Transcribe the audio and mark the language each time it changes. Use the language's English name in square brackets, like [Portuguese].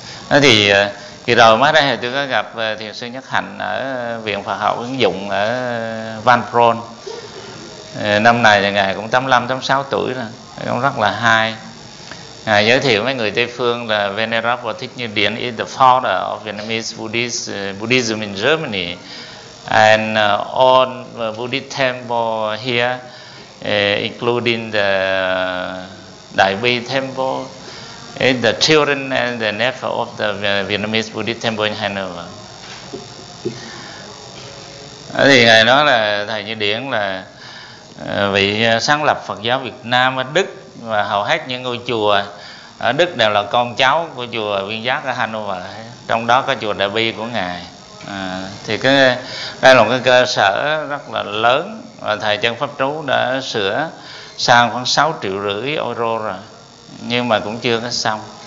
[Vietnamese] Nó thì kỳ rồi mới đây tôi có gặp thiền sư Nhất Hạnh ở Viện Phật Học Ứng Dụng ở Van Pron. Năm này thì Ngài cũng 85-86 tuổi rồi, cũng rất là hay. Ngài giới thiệu với người Tây Phương là [English] Venerable Thích Như Điển is the father of Vietnamese Buddhist, Buddhism in Germany. And all Buddhist temple here, including the Đại Bi temple, is the children and the nephew of the Vietnamese Buddhist temple in Hanover. [Vietnamese] Thì Ngài nói là Thầy Như Điển là vị sáng lập Phật giáo Việt Nam ở Đức, và hầu hết những ngôi chùa ở Đức đều là con cháu của chùa Viên Giác ở Hanover, trong đó có chùa Đại Bi của Ngài. Thì đây là một cái cơ sở rất là lớn, và Thầy Chân Pháp Trú đã sửa sang khoảng 6 triệu rưỡi euro rồi, nhưng mà cũng chưa có xong.